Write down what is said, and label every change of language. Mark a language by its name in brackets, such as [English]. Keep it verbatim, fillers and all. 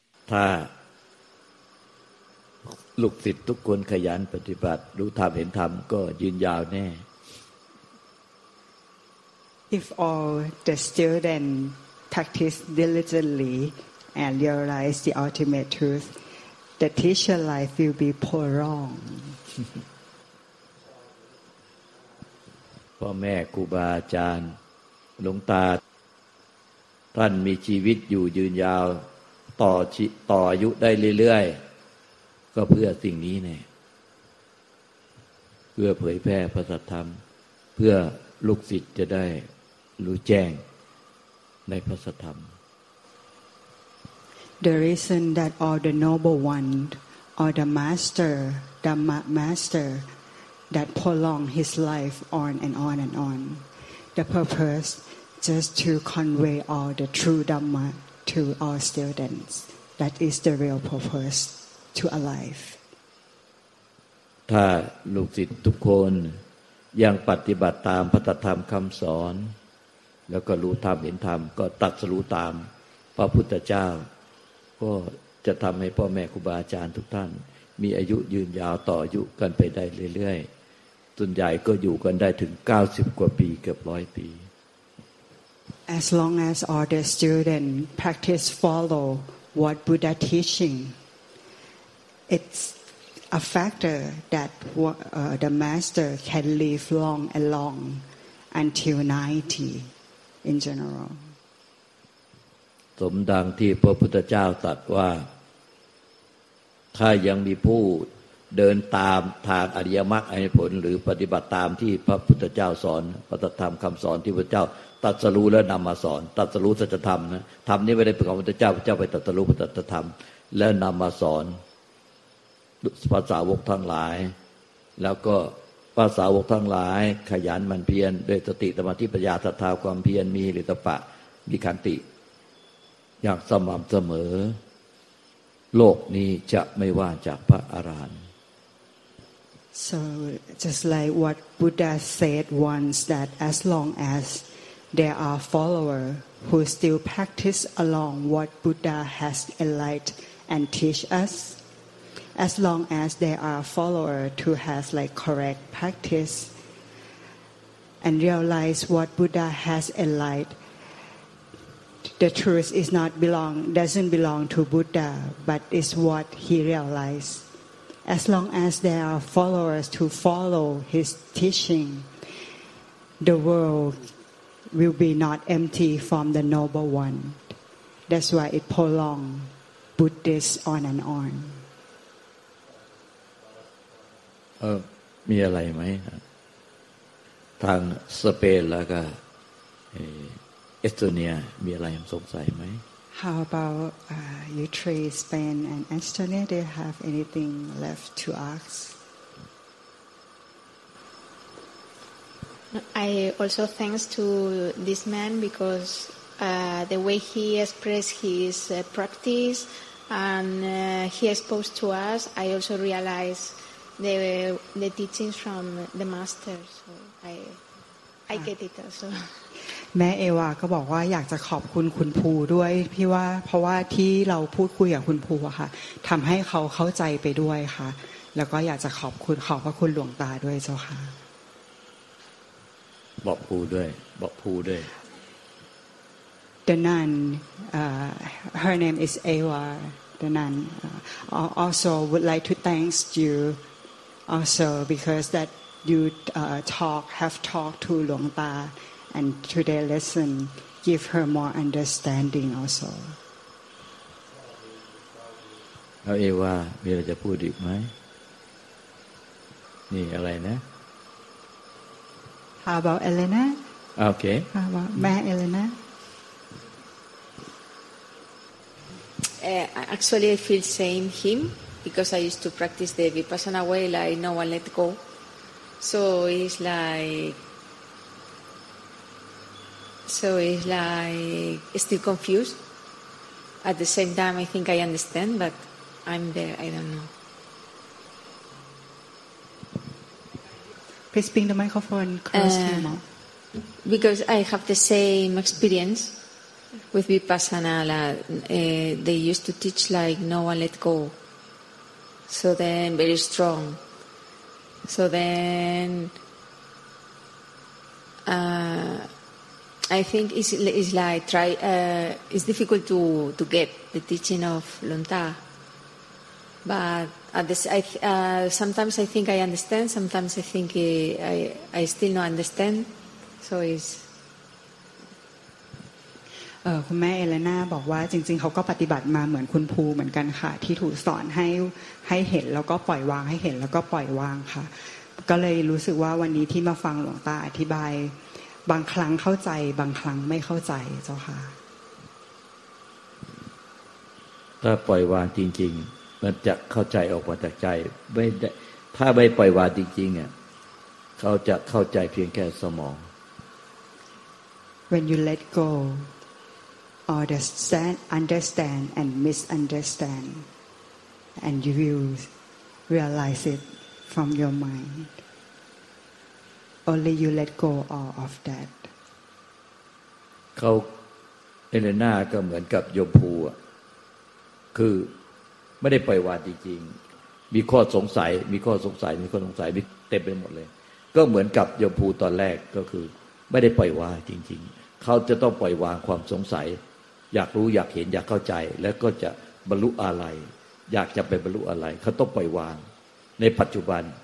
[Thai] ถ้าลูกศิษย์ทุกคนขยันปฏิบัติรู้ธรรมเห็นธรรมก็ยืนยาวแน่ [English] If all the students practice diligently and realize the ultimate truth, the teacher life will be prolonged. [Thai] พ่อแม่ครูบาอาจารย์หลวงตาท่านมีชีวิตอยู่ยืนยาวต่อต่ออายุได้เรื่อยๆก็เพื่อสิ่งนี้แน่เพื่อเผยแพร่พระสัทธรรมเพื่อลูกศิษย์จะได้รู้แจ้งในพระสัทธรรม [English] The reason that all the noble ones or the master Dhamma master that prolong his life on and on and on the purpose just to convey all the true Dhamma to all students that is the real purpose to alive [Thai] ถ้าลูกศิษย์ทุกคนยังปฏิบัติตามพระธรรมคำสอนแล้วก็รู้ธรรมเห็นธรรมก็ตรัสรู้ตามพระพุทธเจ้าก็จะทำให้พ่อแม่ครูบาอาจารย์ทุกท่านมีอายุยืนยาวต่ออายุกันไปได้เรื่อยๆส่วนใหญ่ก็อยู่กันได้ถึงเก้าสิบกว่าปีเกือบหนึ่งร้อยปี [English] As long as all the students practice follow what Buddha teaching it's a factor that uh, the master can live long and long until ninety in general [Thai] สมดังที่พระพุทธเจ้าตรัสว่าถ้ายังมีผู้เดินตามทางอริยมรรคอริยผลหรือปฏิบัติตามที่พระพุทธเจ้าสอนปฏิบัติตามคำสอนที่พระเจ้าตรัสรู้และนำมาสอนตรัสรู้สัจธรรมนะธรรมนี้ไม่ได้เป็นของพระพุทธเจ้าพระเจ้าไปตรัสรู้พระสัจธรรมและนำมาสอน พระสาวกทั้งหลายแล้วก็พระสาวกทั้งหลายขยันหมั่นเพียรด้วยสติสมาธิปัญญาศรัทธาความเพียรมีหรือตปะมีขันติอย่างสม่ำเสมอโลกนี้จะไม่ว่าจากพระอรหันต์ [English] So just like what Buddha said once that as long as there are followers who still practice along what Buddha has enlightened and teach us As long as there are followers who has like correct practice and realize what Buddha has enlightened, the truth is not belong doesn't belong to Buddha, but is what he realized. As long as there are followers who follow his teaching, the world will be not empty from the noble one. That's why it prolongs Buddhists on and on. [Thai] มีอะไรไหมทางสเปนแล้วก็เอสโตเนียมีอะไรสงสัยไหม [English] How about uh, you three Spain and Estonia do you have anything left to ask I also thanks to this man because uh, the way he expressed his uh, practice and uh, he exposed to us I also realized the the teachings from the master so I I get it also [Thai] แม่เอวาก็บอกว่าอยากจะขอบคุณคุณภูด้วยพี่ว่าเพราะว่าที่เราพูดคุยกับคุณภูอะค่ะทำให้เขาเข้าใจไปด้วยค่ะแล้วก็อยากจะขอบคุณขอบพระคุณหลวงตาด้วยเจ้าค่ะ บอกภูด้วยบอกภูด้วย [English] The nun uh, her name is Ewa the nun uh, also would like to thank you Also, because that you uh, talk, have talked to Luang Pa, and today lesson give her more understanding also. [Thai] แล้วเอว่ามีอะไรจะพูดอีกไหมนี่อะไรนะ [English] How about Elena? Okay. How about แม่เอเลนา uh, Actually, I feel same him. Because I used to practice the Vipassana way like no one let go. So it's like so it's like still confused. At the same time I think I understand but I'm there, I don't know. Please bring the microphone close uh, to your mouth. Because I have the same experience With Vipassana, like, uh, they used to teach like no one let go. So then very strong. So then uh, I think it's, it's like try. Uh, it's difficult to, to get the teaching of Lontar. But at this, I th- uh, sometimes I think I understand. Sometimes I think I, I, I still not understand. So it's. [Thai] เอ่อคุณแม่เอเลน่าบอกว่าจริงๆเขาก็ปฏิบัติมาเหมือนคุณภูเหมือนกันค่ะที่ถูกสอนให้ให้เห็นแล้วก็ปล่อยวางให้เห็นแล้วก็ปล่อยวางค่ะก็เลยรู้สึกว่าวันนี้ที่มาฟังหลวงตาอธิบายบางครั้งเข้าใจบางครั้งไม่เข้าใจเจ้าค่ะ ถ้าปล่อยวางจริงๆมันจะเข้าใจออกมาจากใจไม่ได้ถ้าไม่ปล่อยวางจริงๆอ่ะเขาจะเข้าใจเพียงแค่สมอง [English] When you let go understand, understand and misunderstand, and you will realize it from your mind. Only you let go all of that. [Thai] เขาเอเลน่าก็เหมือนกับโยมภูอ่ะคือไม่ได้ปล่อยวางจริงๆมีข้อสงสัยมีข้อสงสัยมีข้อสงสัยเต็มไปหมดเลยก็เหมือนกับโยมภูตอนแรกก็คือไม่ได้ปล่อยวางจริงๆเขาจะต้องปล่อยวางความสงสัยอยากรู้อยากเห็นอยากเข้าใจแล้วก็จะบรรลุอะไรอยากจะไปบรรลุอะไรเขาต้องปล่อยวางในปัจจุบัน